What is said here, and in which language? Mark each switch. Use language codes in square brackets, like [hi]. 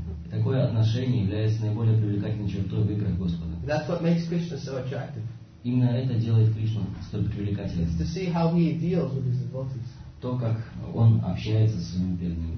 [ru] Такое отношение является наиболее привлекательной чертой в играх Господа. [en] That's what makes Krishna so attractive. [ru] Именно это делает Кришну столь привлекательным. [en] It's to see how he deals with his devotees. [ru] То, как он общается со своими преданными.